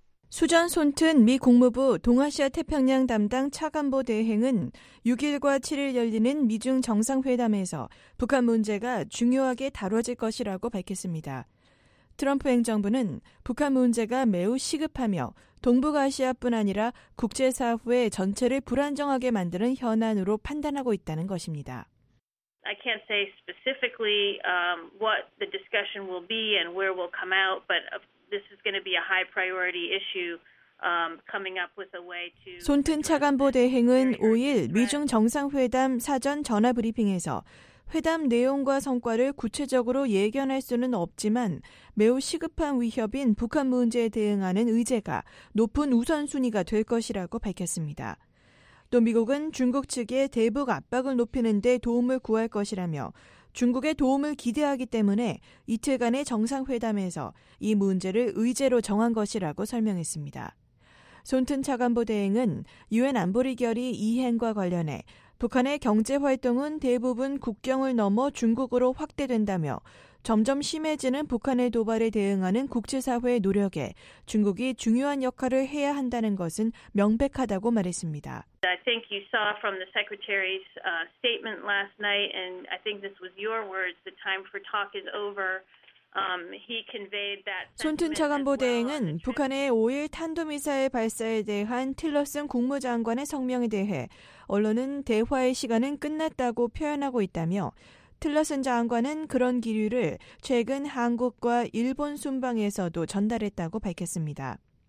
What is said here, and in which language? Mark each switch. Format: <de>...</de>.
<ko>수전 손튼 미 국무부 동아시아 태평양 담당 차관보 대행은 6일과 7일 열리는 미중 정상회담에서 북한 문제가 중요하게 다뤄질 것이라고 밝혔습니다. 트럼프 행정부는 북한 문제가 매우 시급하며 동북아시아뿐 아니라 국제사회 전체를 불안정하게 만드는 현안으로 판단하고 있다는 것입니다.</ko> <en>I can't say specifically what the discussion will be and where we'll come out, but this is going to be a high priority issue coming up with a way to</en> <ko>손튼 차관보 대행은 5일 미중 정상회담 사전 전화 브리핑에서 회담 내용과 성과를 구체적으로 예견할 수는 없지만 매우 시급한 위협인 북한 문제에 대응하는 의제가 높은 우선순위가 될 것이라고 밝혔습니다. 또 미국은 중국 측에 대북 압박을 높이는 데 도움을 구할 것이라며 중국의 도움을 기대하기 때문에 이틀간의 정상회담에서 이 문제를 의제로 정한 것이라고 설명했습니다. 손튼 차관보 대행은 유엔 안보리 결의 이행과 관련해 북한의 경제 활동은 대부분 국경을 넘어 중국으로 확대된다며 점점 심해지는 북한의 도발에 대응하는 국제사회의 노력에 중국이 중요한 역할을 해야 한다는 것은 명백하다고 말했습니다.</ko> <en>I think you saw from the secretary's statement last night, and I think this was your words, the time for talk is over. He conveyed that.</en> <ko>손튼 차관보 대행은 북한의 5일 탄도미사일 발사에 대한 틸러슨 국무장관의 성명에 대해 언론은 대화의 시간은 끝났다고 표현하고 있다며 틸러슨 장관은 그런 기류를 최근 한국과 일본 순방에서도 전달했다고 밝혔습니다.</ko>